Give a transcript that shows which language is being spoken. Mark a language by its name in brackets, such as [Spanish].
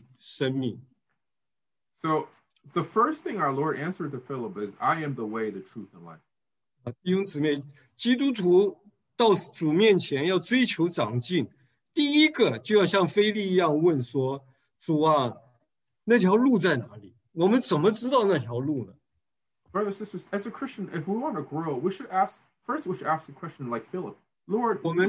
[Chinese] 所以主回答他第一句话就讲到，我是道路、真理、生命。 [English] So the first thing our Lord answered to Philip is, I am the way, the truth, and life. [Chinese] 弟兄姊妹，基督徒 到主面前要追求长进，第一个就要像腓力一样问说：“主啊，那条路在哪里？” 我们怎么知道那条路呢？ [English] Brothers and sisters, as a Christian, if we want to grow, we should ask first. We should ask the question like Philip, Lord.